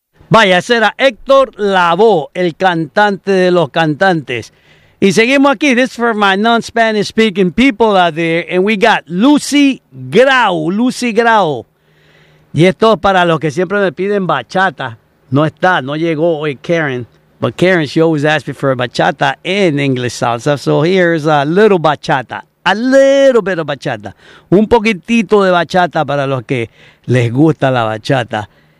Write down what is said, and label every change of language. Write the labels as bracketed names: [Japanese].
[Spanish] Vaya, ese era Héctor Lavoe, el cantante de los cantantes. Y seguimos aquí. [English] This is for my non-Spanish speaking people out there. And we got Lucy Grau, Lucy Grau. [Spanish] Y esto es para los que siempre me piden bachata. No está, no llegó hoy [English] Karen. But Karen, she always asks me for a bachata in English salsa. So here's a little bachata. A little bit of bachata. [Spanish] Un poquitito de bachata para los que les gusta la bachata.